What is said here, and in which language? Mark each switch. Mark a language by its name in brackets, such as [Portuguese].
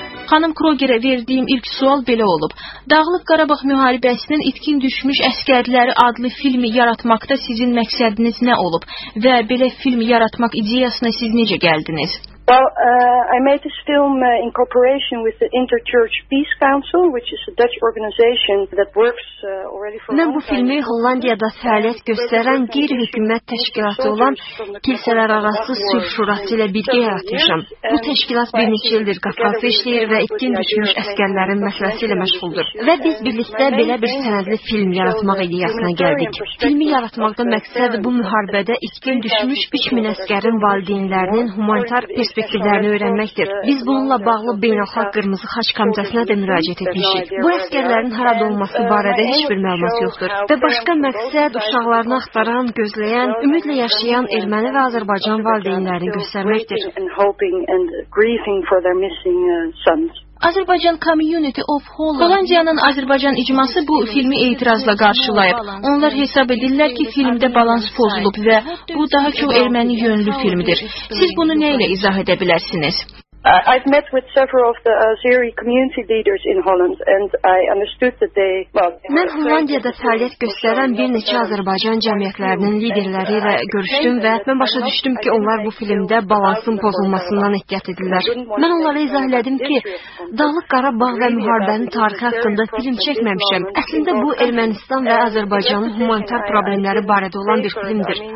[Azerbaijani] Xanım Krogerə verdiyim ilk sual belə olub. Dağlıq Qarabağ müharibəsinin itkin düşmüş əskərləri adlı filmi yaratmaqda sizin məqsədiniz nə olub və belə filmi yaratmaq ideyasına siz necə gəldiniz? [English] Well, I made this film in cooperation with the Interchurch Peace Council, which is a Dutch organization that works already for. [Azerbaijani] Ben bu filmi Hollanda'da faaliyet gösteren bir hükümet teşkilatı olan Kiliseler Arası Sülh Şurası ile birlikte yaratmışım. Bu teşkilat bir neçə ildir Qafqazda işləyir və itkin düşmüş əsgərlərin məsələsi ilə məşğuldur. Və biz birlikdə belə bir sənədli film yaratmaq ideyasına gəldik. Filmi yaratmaqda məqsəd bu müharibədə itkin düşmüş 3000 əsgərin valideynlərinin humanitar perspektivlərini öyrənməkdir. Biz bununla bağlı Beynəlxalq Qırmızı Xaç Komitəsinə də müraciət etmişik. Bu əsgərlərin harada olması barədə heç bir məlumat yoxdur. Və başqa məqsəd uşaqlarını axtaran, gözləyən, ümidlə yaşayan erməni və Azərbaycan valideynlərini göstərməkdir. [English] Grieving for their missing sons. Azerbaijan Community of Holland. [Azerbaijani] Hollandiyanın Azərbaycan icması bu filmi etirazla qarşılayıb. Onlar hesab edirlər ki, filmdə balans pozulub və bu daha çox erməni yönlü filmdir. Siz bunu nə ilə izah edə bilərsiniz? [English] I've met with several of the Azeri community leaders in Holland and I understood that they [Azerbaijani] Mən Hollandiyada fəaliyyət göstərən bir neçə Azərbaycan cəmiyyətlərinin liderləri ilə görüşdüm və mən başa düşdüm ki, onlar bu filmdə balansın pozulmasından ehtiyat edirlər. Mən onlara izah elədim ki, Dağlıq Qarabağ və müharibənin tarixi haqqında film çəkməmişəm. Əslində bu Ermənistan və Azərbaycanın humanitar problemləri barədə olan bir filmdir.